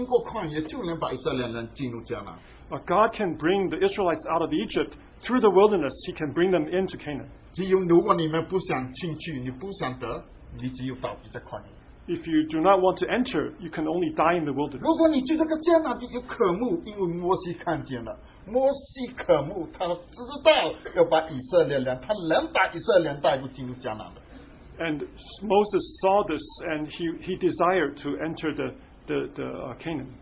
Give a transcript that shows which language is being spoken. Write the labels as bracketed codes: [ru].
[zh] 你神能够把以色列人带出埃及, [en] God can bring the Israelites out of Egypt through the wilderness, he can bring them into Canaan. [zh] 只有如果你们不想进去,你不想得, [en] if you do not want to enter, you can only die in the wilderness. [zh] 如果你去这个迦南地有渴慕, [en] and Moses saw this and he desired to enter the Canaan.